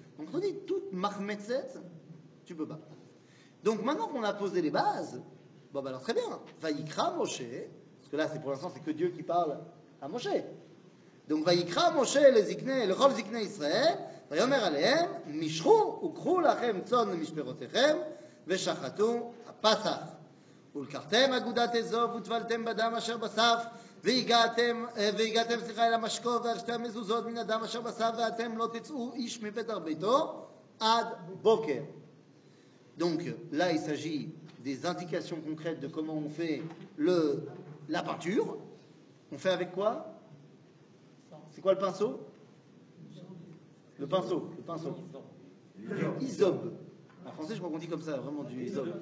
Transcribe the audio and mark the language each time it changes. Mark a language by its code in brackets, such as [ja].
[fr] Donc, on dit, toute marmetzette, tu peux pas. Donc, maintenant qu'on a posé les bases, bon, bah, alors très bien, Vayikra Moshe, parce que là, c'est pour l'instant, c'est que Dieu qui parle à Moshe. [he] Donc, Vayikra Moshe, le Zikne, le Rol Zikne Israël, ויאמר עליהם, משחו וקחו לכם צאן למשפחותיכם, ושחטו הפסח. ולקחתם אגודת אזוב וטבלתם בדם אשר בסף, והגעתם סליחה אל המשקוף ועל שתי המזוזות מן הדם אשר בסף, ואתם לא תצאו איש מבית ביתו עד בוקר. [fr] Donc là il s'agit des indications concrètes de comment on fait la peinture. On fait avec quoi? C'est quoi le pinceau? Le pinceau. Du isobe. En français, je crois qu'on dit comme ça, vraiment du isobe.